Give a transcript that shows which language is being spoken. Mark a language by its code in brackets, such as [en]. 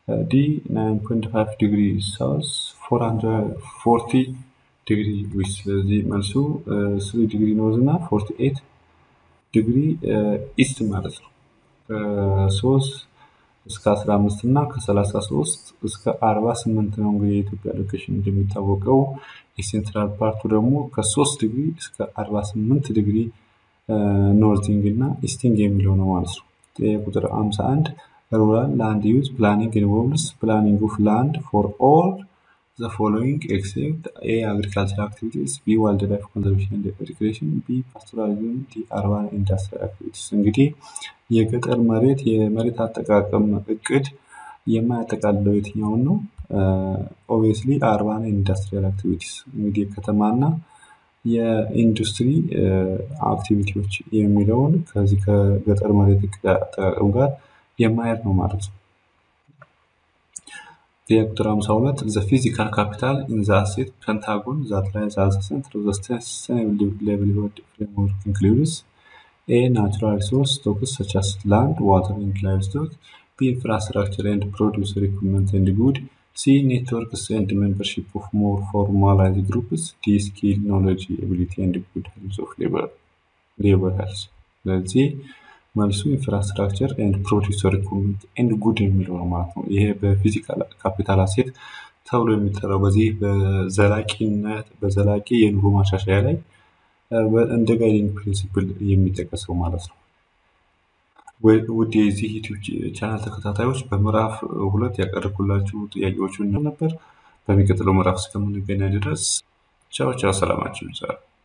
[en] ዲ 9.5 ዲግሪ ሳውዝ፣ 440 ዲግሪ ዌስት። [am] ስለዚህ መልሱ 3 ዲግሪ ኖርዝ እና 48 ዲግሪ ኢስት ማለት ነው። ከሶስት እስከ 15 እና ከ33 እስከ 48 ነው። እንግዲህ የኢትዮጵያ ሎኬሽን እንደሚታወቀው የሴንትራል ፓርቱ ደግሞ ከሶስት ዲግሪ እስከ 48 ዲግሪ [en] ኖርቲንግ እና ኢስቲንግ [am] የሚለው ነው ማለት ነው። ጥያቄ ቁጥር 51 [en] ሩራል ላንድ ዩዝ ፕላኒንግ ኢንቮልቭስ ፕላኒንግ ኦፍ ላንድ ፎር ኦል the following except A. agricultural activities, B. wildlife conservation and recreation, B. pastoralism, D. urban industrial activities. [am] እንግዲህ የገጠር መሬት የመሬት አጠቃቀም እቅድ የማያጠቃልለው የትኛውን ነው? [en] ኦብቪየስሊ urban industrial activities [am] እንግዲህ የከተማና የኢንዱስትሪ አክቲቪቲዎች የሚለውን ከዚህ ከገጠር መሬት እቅድ አጠቃቀም ጋር የማያያዝ ነው ማለት ነው። ጥያቄ ቁጥር 52 [en] the physical capital in the asset pentagon that lies as a center of the sustainable livelihood framework includes A. natural resource stocks such as land, water and livestock, B. infrastructure and produce equipment and good, C. networks and membership of more formalized groups, D. skill, knowledge, ability and good health of labor health. [am] ስለዚህ መልሱ [en] ኢንፍራስትራክቸር ኤንድ ፕሮዲሰር ኢኩዊፕመንት ኤንድ ጉድ [am] የሚለው ነው ማለት ነው። ይሄ በፊዚካል ካፒታል አሴት ተብሎ የሚጠራው በዚህ በዘላቂነት በዘላቂ የኑሮ ማሻሻያ ላይ እንደ ጋይዲንግ ፕሪንሲፕል የሚጠቀሰው ማለት ነው። ውድ የዚህ ዩቲዩብ ቻናል ተከታታዮች በምዕራፍ ሁለት ያቀረብኩላችሁ ጥያቄዎቹን ነበር። በሚቀጥለው ምዕራፍ እስከምንገናኝ ድረስ ቻው ቻው፣ ሰላማችሁ ይብዛል።